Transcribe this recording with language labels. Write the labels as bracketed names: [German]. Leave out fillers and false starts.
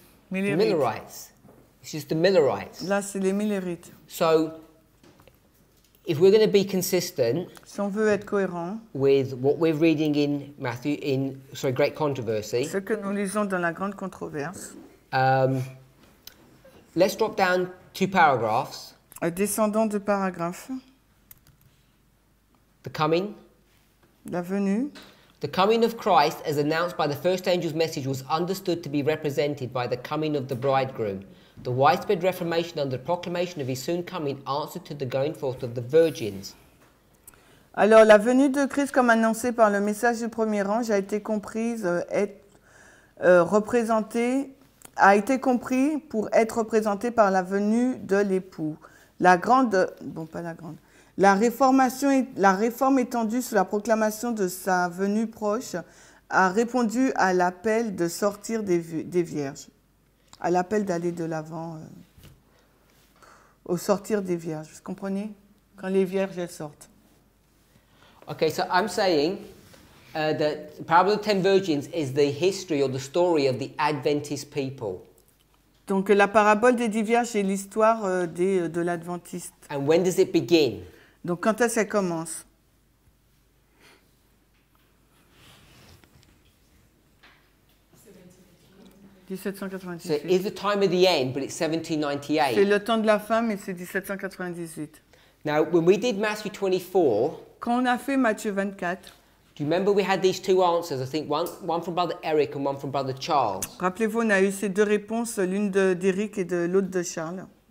[English] The Millerites. It's just the Millerites. [French] Là, c'est les Millerites. [English] So, if we're going to be consistent, [French] si on veut être cohérent, [English] with what we're reading in Matthew, Great Controversy. [French] Ce que nous lisons dans la grande controverse. [English] Let's drop down two paragraphs. [French] Descendant de paragraphe. [English] The coming. [French] La venue. [English] The coming of Christ, as announced by the first angel's message, was understood to be represented by the coming of the bridegroom. The widespread reformation under the proclamation of his soon coming answered to the going forth of the virgins. [French] Alors, la venue de Christ, comme annoncée par le message du premier ange, a été comprise, pour être représentée par la venue de l'époux. La grande, bon pas la grande, La réforme étendue sous la proclamation de sa venue proche a répondu à l'appel de sortir des vierges. À l'appel d'aller de l'avant, au sortir des vierges. Vous comprenez? Quand les vierges, elles sortent. [English] OK, so I'm saying that the parable of the ten virgins is the history or the story of the Adventist people. [French] Donc la parabole des dix vierges est l'histoire de l'adventiste. [English] And when does it begin? [French] Donc quand est-ce qu'elle commence? [English] So it's the time of the end, but it's 1798. [French] C'est le temps de la fin, mais c'est 1798. [English] Now, when we did Matthew 24. [French] Quand on a fait Matthieu 24. [English] Do you remember we had these two answers? I think one from Brother Eric and one from Brother Charles. [French] Rappelez-vous, on a eu ces deux réponses, l'une d'Eric et de l'autre de Charles.